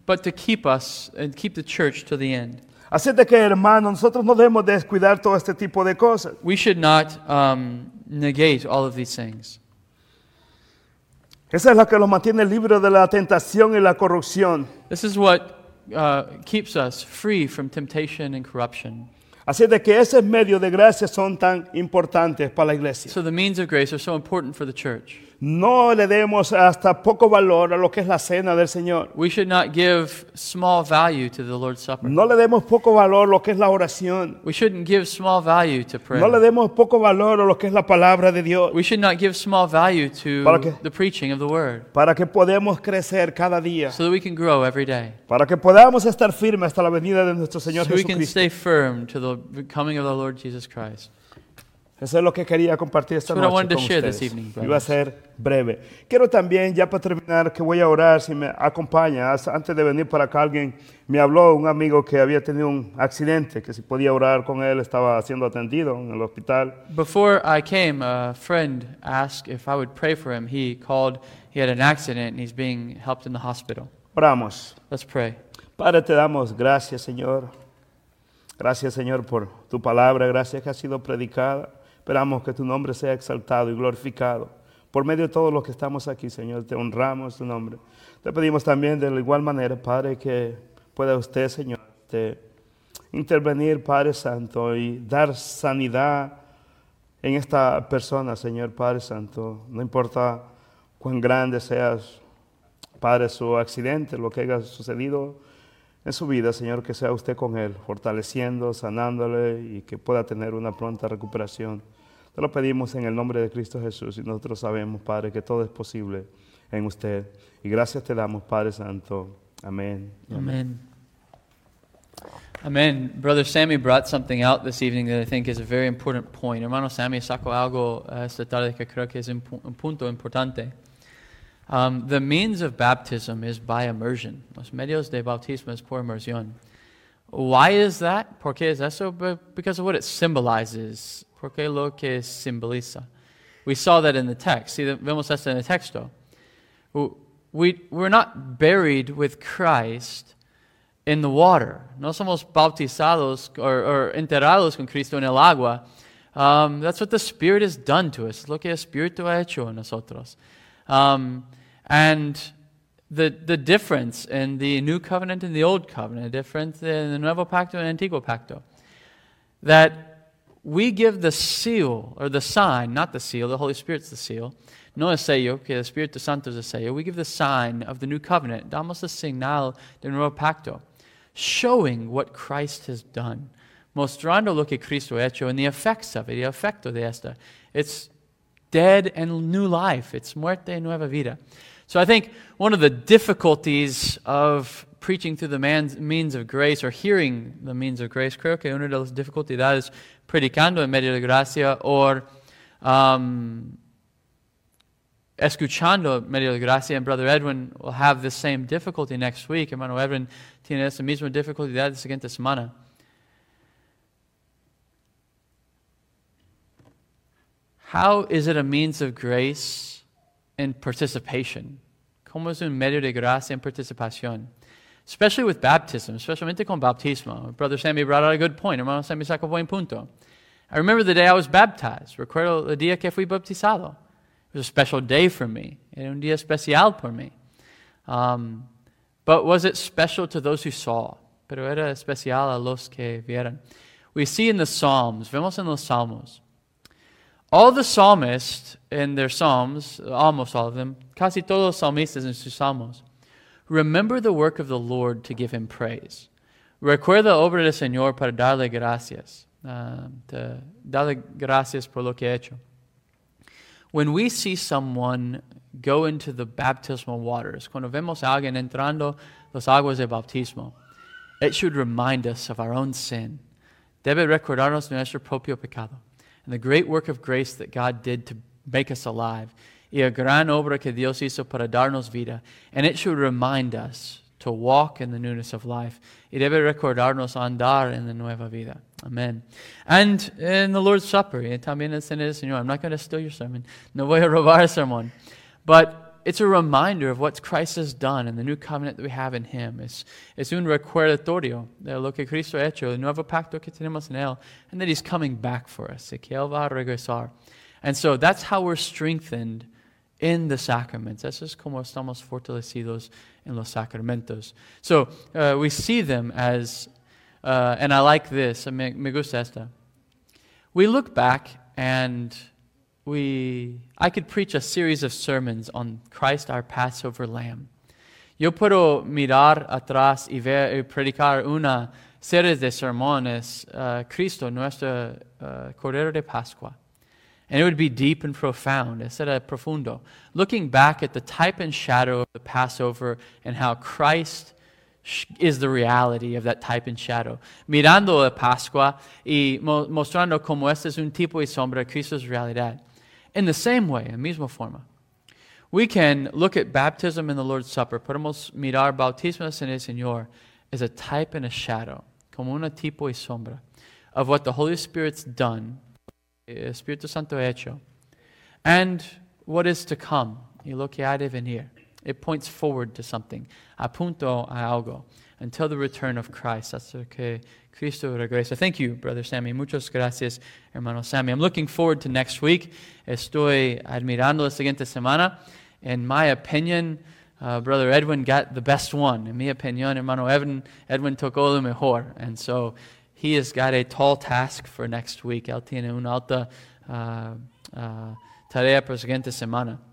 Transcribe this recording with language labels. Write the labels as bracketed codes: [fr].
[en] But to keep us and keep the church to the end. [es] Así de que, hermano, nosotros no debemos descuidar todo este tipo de cosas. [en] We should not negate all of these things. [es] Esa es la que lo mantiene libre de la tentación y la corrupción. [en] This is what keeps us free from temptation and corruption. [es] Así de que esos medios de gracia son tan importantes para la iglesia. [en] So the means of grace are so important for the church. [es] No le demos hasta poco valor a lo que es la cena del Señor. [en] We should not give small value to the Lord's Supper. [es] No le demos poco valor a lo que es la oración. [en] We shouldn't give small value to prayer. [es] No le demos poco valor a lo que es la palabra de Dios. [en] We should not give small value to the preaching of the word. [es] Para que podamos crecer cada día. [en] So that we can grow every day. [es] Para que podamos estar firmes hasta la venida de nuestro Señor [en] so [es] Jesucristo. [en] So we can stay firm to the coming of the Lord Jesus Christ. [es] Eso es lo que quería compartir esta noche con ustedes. Iba a ser breve. Quiero también, ya para terminar, que voy a orar, si me acompañas. Antes de venir para acá, alguien me habló, un amigo que había tenido un accidente, que si podía orar con él, estaba siendo atendido en el hospital. [en] Before I came, a friend asked if I would pray for him. He called, he had an accident, and he's being helped in the hospital. [es] Oramos. [en] Let's pray. [es] Padre, te damos gracias, Señor. Gracias, Señor, por tu palabra. Gracias que ha sido predicada. Esperamos que tu nombre sea exaltado y glorificado. Por medio de todos los que estamos aquí, Señor, te honramos tu nombre. Te pedimos también de la igual manera, Padre, que pueda usted, Señor, intervenir, Padre Santo, y dar sanidad en esta persona, Señor, Padre Santo. No importa cuán grande sea, Padre, su accidente, lo que haya sucedido en su vida, Señor, que sea usted con él, fortaleciendo, sanándole y que pueda tener una pronta recuperación. Te lo pedimos en el nombre de Cristo Jesús y nosotros sabemos, Padre, que todo es posible en usted. Y gracias te damos, Padre Santo. Amén. Amén. Amén. [en] Brother Sammy brought something out this evening that I think is a very important point. [es] Hermano Sammy sacó algo esta tarde que creo que es un punto importante. [en] The means of baptism is by immersion. [es] Los medios de bautismo es por inmersión. [en] Why is that? [es] ¿Por qué es eso? [en] Because of what it symbolizes. [es] ¿Por qué lo que simboliza? [en] We saw that in the text. See, [es] vemos eso en el texto. [en] We're not buried with Christ in the water. [es] No somos bautizados or enterrados con Cristo en el agua. [en] That's what the Spirit has done to us. [es] Lo que el Espíritu ha hecho en nosotros. [en] And the difference in the New Covenant and the Old Covenant, the difference in the Nuevo Pacto and Antiguo Pacto, that we give the seal, or the sign, not the seal, the Holy Spirit's the seal, [es] no es sello, que el Espíritu Santo es el sello, [en] we give the sign of the New Covenant, [es] damos el signal del Nuevo Pacto, [en] showing what Christ has done, [es] mostrando lo que Cristo ha hecho, [en] and the effects of it, [es] el efecto de esta. [en] It's dead and new life. It's [es] muerte y nueva vida. [en] So I think one of the difficulties of preaching through the means of grace or hearing the means of grace, [es] creo que una de las dificultades predicando en medio de gracia [en] or escuchando en medio de gracia, and Brother Edwin will have the same difficulty next week. [es] Hermano Edwin tiene esa misma dificultad la siguiente semana. [en] How is it a means of grace and participation? [es] ¿Cómo es un medio de gracia en participación? [en] Especially with baptism, [es] especialmente con bautismo. [en] Brother Sammy brought out a good point. [es] Hermano Sammy sacó buen punto. [en] I remember the day I was baptized. [es] Recuerdo el día que fui bautizado. [en] It was a special day for me. [es] Era un día especial por mí. [en] But was it special to those who saw? [es] Pero era especial a los que vieron. [en] We see in the Psalms. [es] Vemos en los Salmos. [en] All the psalmists in their psalms, almost all of them, [es] casi todos los salmistas en sus salmos, [en] remember the work of the Lord to give him praise. [es] Recuerda obra del Señor para darle gracias. Darle gracias por lo que ha hecho. [en] When we see someone go into the baptismal waters, [es] cuando vemos a alguien entrando las aguas de bautismo, [en] it should remind us of our own sin. [es] Debe recordarnos de nuestro propio pecado. [en] And the great work of grace that God did to make us alive. [es] Y la gran obra que Dios hizo para darnos vida. [en] And it should remind us to walk in the newness of life. [es] Y debe recordarnos andar en la nueva vida. Amen. [en] And in the Lord's Supper. [es] Y también en la cena del Señor. [en] I'm not going to steal your sermon. [es] No voy a robar el sermón. [en] But it's a reminder of what Christ has done and the new covenant that we have in Him. [es] Es un recordatorio de lo que Cristo ha hecho, el nuevo pacto que tenemos en Él, [en] and that He's coming back for us, [es] y que Él va a regresar. [en] And so that's how we're strengthened in the sacraments. [es] Eso es como estamos fortalecidos en los sacramentos. [en] So we see them as, and I like this, [es] me gusta esta. [en] We look back and I could preach a series of sermons on Christ, our Passover Lamb. [es] Yo puedo mirar atrás y ver y predicar una serie de sermones, Cristo, nuestro Cordero de Pascua. [en] And it would be deep and profound, instead of profundo. Looking back at the type and shadow of the Passover and how Christ is the reality of that type and shadow. [es] Mirando la Pascua y mostrando cómo este es un tipo y sombra, Cristo es realidad. [en] In the same way, [es] en misma forma, [en] we can look at baptism and the Lord's Supper, [es] podemos mirar bautismo en el Señor, [en] as a type and a shadow, [es] como una tipo y sombra, [en] of what the Holy Spirit's done, [es] Espíritu Santo ha hecho, [en] and what is to come, [es] y lo que ha de venir. [en] It points forward to something, [es] apunto a algo, [en] until the return of Christ. [es] Hasta que Cristo regresa. [en] Thank you, Brother Sammy. [es] Muchas gracias, hermano Sammy. [en] I'm looking forward to next week. [es] Estoy admirando la siguiente semana. [en] In my opinion, Brother Edwin got the best one. [es] In mi opinión, hermano Edwin tocó lo mejor. [en] And so he has got a tall task for next week. [es] Él tiene una alta tarea para la siguiente semana.